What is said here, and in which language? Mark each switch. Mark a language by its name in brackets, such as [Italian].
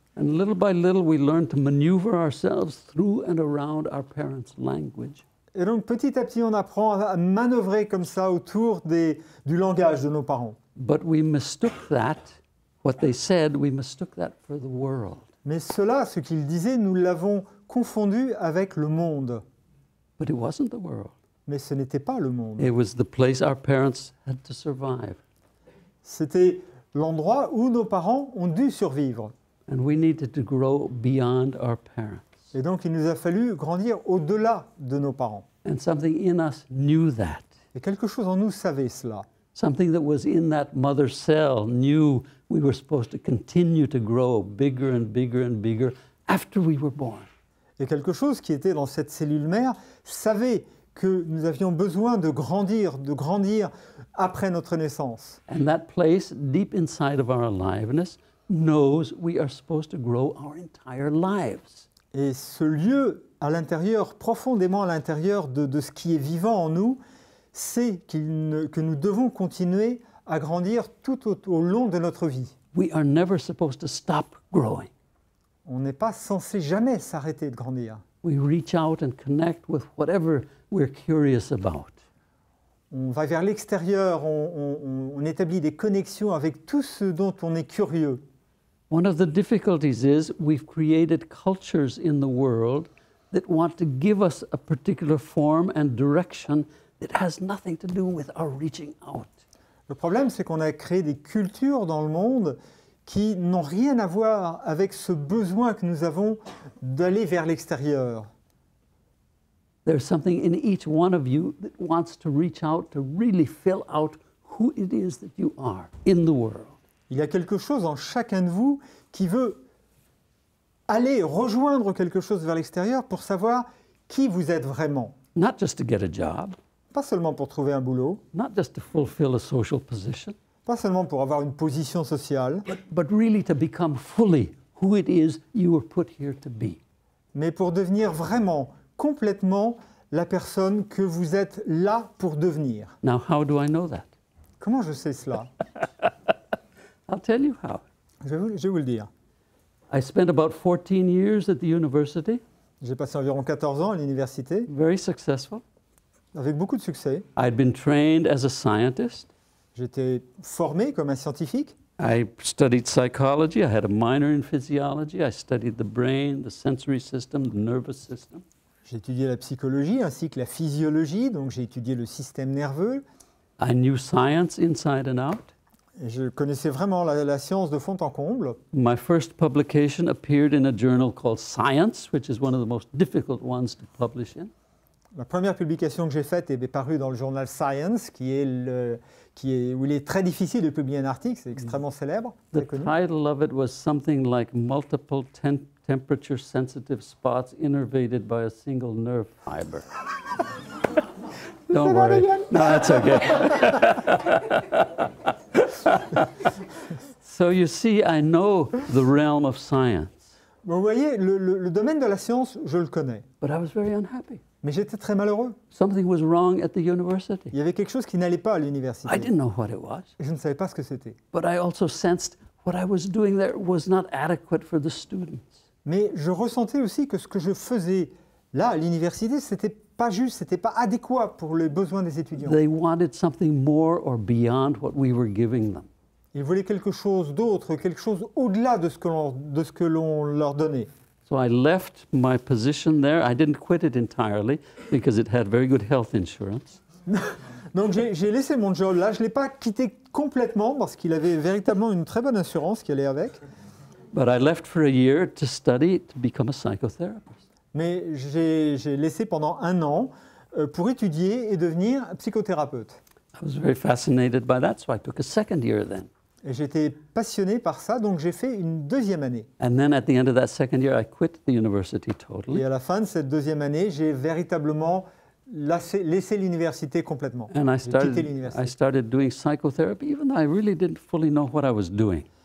[English] And little by little, we learned to maneuver ourselves through and around our parents' language. [French] Et donc, petit à petit, on apprend à manœuvrer comme ça autour du langage de nos parents. [English] But we mistook that, what they said, we mistook that for the world. [French] Mais cela, ce qu'ils disaient, nous l'avons confondu avec le monde. [English] But it wasn't the world. [French] Mais ce n'était pas le monde. [English] It was the place our parents had to survive. [French] C'était l'endroit où nos parents ont dû survivre. [English] And we needed to grow beyond our parents. [French] Et donc, il nous a fallu grandir au-delà de nos parents. [English] And something in us knew that. [French] Et quelque chose en nous savait cela. [English] Something that was in that mother cell knew we were supposed to continue to grow bigger and bigger and bigger after we were born. [French] Et quelque chose qui était dans cette cellule mère savait que nous avions besoin de grandir après notre naissance. [English] And that place deep inside of our aliveness knows we are supposed to grow our entire lives. [French] Et ce lieu à l'intérieur, profondément à l'intérieur de ce qui est vivant en nous, sait que nous devons continuer à grandir tout au long de notre vie. [English] We are never supposed to stop growing. [French] On n'est pas censé jamais s'arrêter de grandir. [English] We reach out and connect with whatever we're curious about. [French] On va vers l'extérieur, on établit des connexions avec tout ce dont on est curieux. [English] One of the difficulties is we've created cultures in the world that want to give us a particular form and direction that has nothing to do with our reaching out. [French] Le problème, c'est qu'on a créé des cultures dans le monde qui n'ont rien à voir avec ce besoin que nous avons d'aller vers l'extérieur. [English] There's something in each one of you that wants to reach out to really fill out who it is that you are in the world. [French] Il y a quelque chose en chacun de vous qui veut aller rejoindre quelque chose vers l'extérieur pour savoir qui vous êtes vraiment. [English] Not just to get a job. [French] Pas seulement pour trouver un boulot. [English] Not just to fulfill a social position. [French] Pas seulement pour avoir une position sociale. [English] But really to become fully who it is you were put here to be. [French] Mais pour devenir vraiment, complètement la personne que vous êtes là pour devenir. [English] Now how do I know that? [French] Comment je sais cela? [English] I'll tell you how. [French] Je vais vous le dire. [English] I spent about 14 years at the university. [French] J'ai passé environ 14 ans à l'université. [English] Very successful. [French] Avec beaucoup de succès. [English] I'd been trained as a scientist. [French] J'étais formé comme un scientifique. [English] I studied psychology. I had a minor in physiology. I studied the brain, the sensory system, the nervous system. [French] J'ai étudié la psychologie ainsi que la physiologie, donc j'ai étudié le système nerveux. [English] I knew science inside and out. [French] Et je connaissais vraiment la science de fond en comble. [English] My first publication appeared in a journal called Science, which is one of the most difficult ones to publish in. [French] La première publication que j'ai faite est parue dans le journal Science, où il est très difficile de publier un article. C'est extrêmement célèbre. [English] The title of it was something like multiple temperature sensitive spots innervated by a single nerve fiber. Don't worry. No, that's okay. So you see, I know the realm of science. [French] Vous voyez, le domaine de la science, je le connais. [English] But I was very unhappy. [French] Mais j'étais très malheureux. [English] Something was wrong at the university. [French] Il y avait quelque chose qui n'allait pas à l'université. [English] I didn't know what it was. [French] Et je ne savais pas ce que c'était. [English] But I also sensed what I was doing there was not adequate for the students. [French] Mais je ressentais aussi que ce que je faisais là, à l'université, c'était pas juste, c'était pas adéquat pour les besoins des étudiants. [English] They wanted something more or beyond what we were giving them. [French] Ils voulaient quelque chose d'autre, quelque chose au-delà de ce que l'on leur donnait. [English] So I left my position there. I didn't quit it entirely because it had very good health insurance. [French] Donc j'ai laissé mon job là, je ne l'ai pas quitté complètement parce qu'il avait véritablement une très bonne assurance qui allait avec. [English] But I left for a year to study to become a psychotherapist. [French] Mais j'ai laissé pendant un an pour étudier et devenir psychothérapeute. [English] I was very fascinated by that, so I took a second year then. [French] Et j'étais passionné par ça, donc j'ai fait une deuxième année. [English] And then at the end of that second year, I quit the university totally. [French] Et à la fin de cette deuxième année, j'ai véritablement laissé l'université complètement. [English] And I started doing psychotherapy, even though I really didn't fully know what I was doing.